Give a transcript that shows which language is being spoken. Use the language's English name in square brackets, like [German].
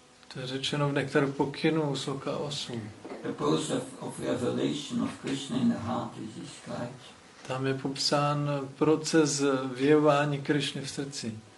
[Czech] To je řečeno v Nektaru pokynu, sloka 8. [English] The process of revelation of Krishna in the heart is described. [Czech] Tam je popsán proces vyjevání Krishny v srdci.